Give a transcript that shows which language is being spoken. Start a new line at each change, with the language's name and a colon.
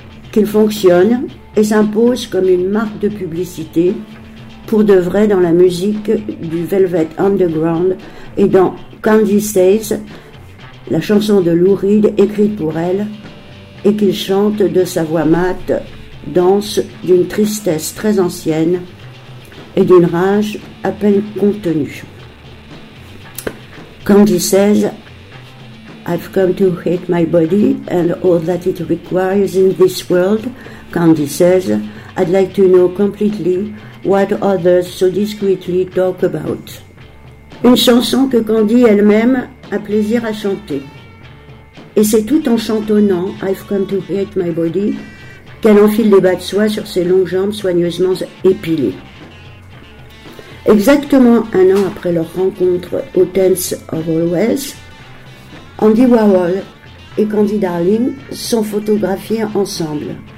French: Qu'il fonctionne et s'impose comme une marque de publicité pour de vrai dans la musique du Velvet Underground et dans Candy Says, la chanson de Lou Reed écrite pour elle et qu'il chante de sa voix mate, danse d'une tristesse très ancienne et d'une rage à peine contenue.
English: Candy Says, I've come to hate my body and all that it requires in this world. Candy Says, I'd like to know completely what others so discreetly talk about.
French: Une chanson que Candy elle-même a plaisir à chanter. Et c'est tout en chantonnant « I've come to hate my body » qu'elle enfile les bas de soie sur ses longues jambes soigneusement épilées. Exactement un an après leur rencontre au Tense of Always, Andy Warhol et Candy Darling sont photographiés ensemble.